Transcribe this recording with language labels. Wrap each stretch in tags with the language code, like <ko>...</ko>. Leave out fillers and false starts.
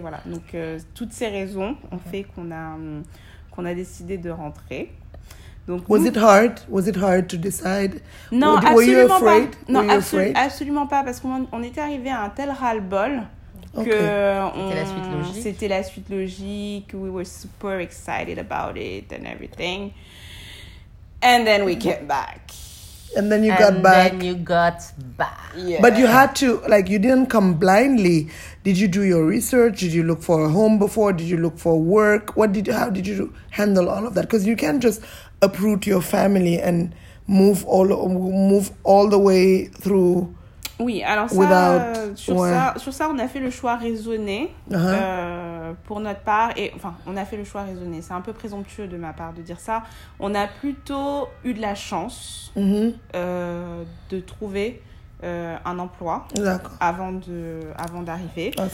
<fr>Voilà, donc toutes ces raisons ont fait qu'on a décidé de rentrer. Donc,</fr> <en>Was it hard to decide?</en> <fr>Non, absolument pas. Absolument pas, parce qu'on était arrivé à un tel ras-le-bol que c'était la suite logique.</fr> <en>We were super excited about it and everything. And then we came back. And then you got back. And then you got back. Yeah. But you had to, like, you didn't come blindly. Did you do your research? Did you look for a home before? Did you look for work? How did you handle all of that? Because you can't just uproot your family and move all the way through.</en> <fr>Oui, alors ça, sur ça, on a fait le choix raisonné pour notre part. Et, enfin, on a fait le choix raisonné. C'est un peu présomptueux de ma part de dire ça. On a plutôt eu de la chance de trouver un emploi avant d'arriver.</fr>